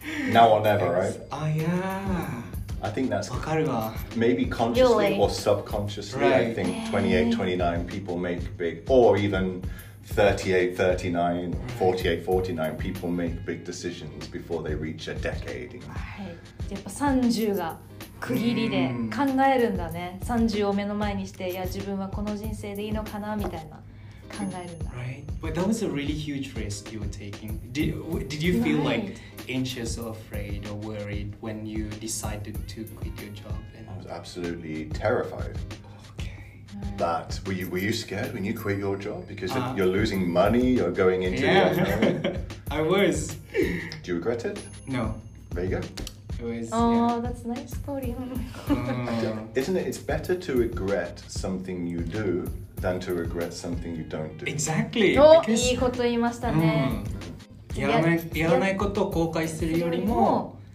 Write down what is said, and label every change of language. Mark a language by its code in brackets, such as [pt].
[en] Now or never, right? Oh, yeah. I think that's... [ja] わかるわ。 [en] Maybe consciously or subconsciously, right. I think 28, 29 people make big... Or even 38, 39, 48, 49 people make big decisions before they reach a decade. [ja] はい。やっぱ30が区切りで考えるんだね。 30を目の前にして、いや、自分はこの人生でいいのかなみたいな。 [en] Right, but that was a really huge risk you were taking. Did you feel like anxious or afraid or worried when you decided to quit your job? I was absolutely terrified. Okay. But were you scared when you quit your job? Because you're losing money, you're going into I was. Do you regret it? No. There you go. was. Oh, yeah. That's nice, Cody. Isn't it? It's better to regret something you do than to regret something you don't do. Exactly. [ja] いいこと言いましたね。やらないことを後悔するよりも、